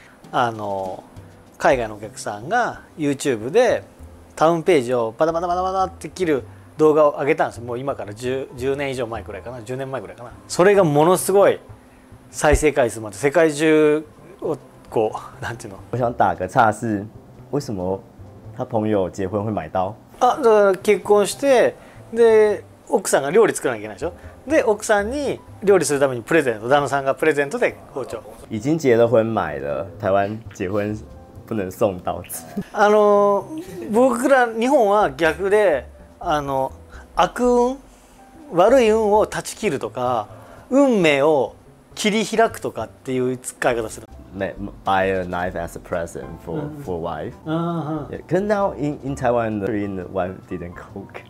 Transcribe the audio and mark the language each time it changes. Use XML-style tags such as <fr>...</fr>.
<ja>海外のお客さんが YouTube でタウンページをバタバタバタバタって切る動画を上げたんですよ。もう今から 10年以上前くらいかな、それがものすごい再生回数まで世界中をこう、なんていうの、</ja> <zh>我想打个岔是为什么他朋友结婚会买到。</zh> <ja>あ、だから結婚して、で奥さんが料理作らなきゃいけないでしょ、で奥さんに料理するためにプレゼント、旦那さんがプレゼントで包丁。</ja> <zh>已经结了婚买了，台湾结婚不能送刀子。</zh> <ja>僕ら日本は逆で、悪運、悪い運を断ち切るとか、運命を切り開くとかっていう使い方する。</ja> <en>Buy a knife as a present for wife. Because now in Taiwan, the wife didn't cook.</en>